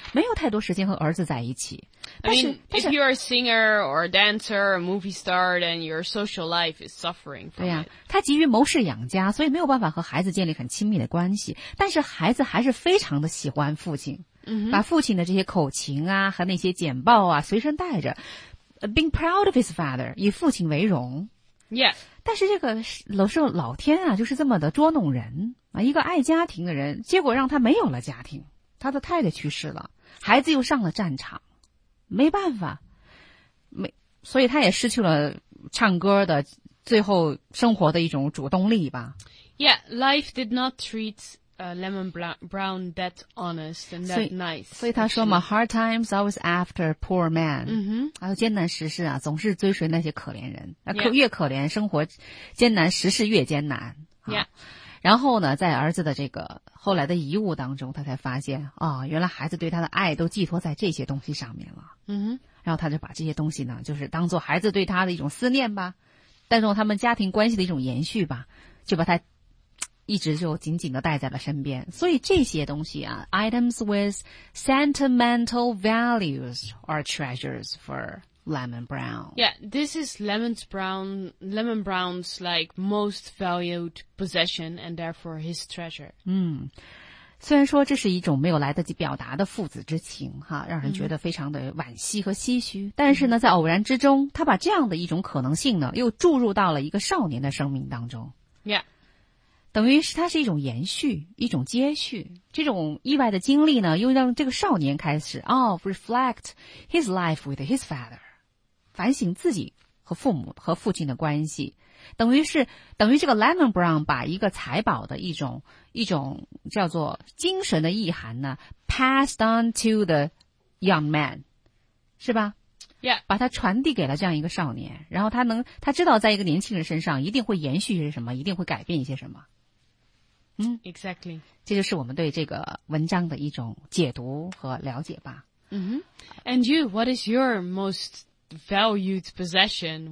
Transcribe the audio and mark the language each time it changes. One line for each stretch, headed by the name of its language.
Chinese: 没有太多时间和儿子在一起。
English: If you are a singer or a dancer or a movie star, then your social life is suffering from it.
Chinese: 对呀，他急于谋事养家，所以没有办法和孩子建立很亲密的关系。但是孩子还是非常的喜欢父亲。 Mm-hmm. 把父亲的这些口琴啊和那些简报啊随身带着。
English: Being proud of his father,
Chinese: 以父亲为荣。 Yeah. 但是这个老天啊就是这么的捉弄人。啊，一个爱家庭的人，结果让他没有了家庭。他的太太去世了，孩子又上了战场，没办法，所以他也失去了唱歌的最后生活的一种主动力吧。
English: Yeah, life did not treat Lemon Brown that honest and that nice.
Chinese: 所以他说嘛
English: ，Hard times always after poor man. 嗯哼，
Chinese: 艰难时事啊，总是追随那些可怜人。 Yeah. 越可怜，生活艰难，时事越艰难。 Yeah. 然后呢，在儿子的这个后来的遗物当中，他才发现啊、哦，原来孩子对他的爱都寄托在这些东西上面了。嗯、mm-hmm. ，然后他就把这些东西呢，就是当做孩子对他的一种思念吧，当做他们家庭关系的一种延续吧，就把他一直就紧紧的带在了身边。所以这些东西啊
English: ，items with sentimental values are treasures for Lemon Brown. Yeah, this is Lemon Brown's like most valued possession and therefore his treasure.
Chinese: 虽然说这是一种没有来得及表达的父子之情哈，让人觉得非常的惋惜和唏嘘。 Mm-hmm. 但是呢，在偶然之中，他把这样的一种可能性呢，又注入到了一个少年的生命当中。 Yeah. 等于是它是一种延续，一种接续。这种意外的经历呢，又让这个少年开始
English: reflect his life with his father.
Chinese: 反省自己和父母和父亲的关系，等于这个 Lemon Brown 把一个财宝的一种叫做精神的意涵呢
English: passed on to the young man，
Chinese: 是吧？ Yeah，把它传递给了这样一个少年，然后他知道在一个年轻人身上一定会延续些什么，一定会改变一些什么。嗯
English: ，exactly，
Chinese: 这就是我们对这个文章的一种解读和了解吧。 Mm-hmm.
English: And you, what is your most valued possession?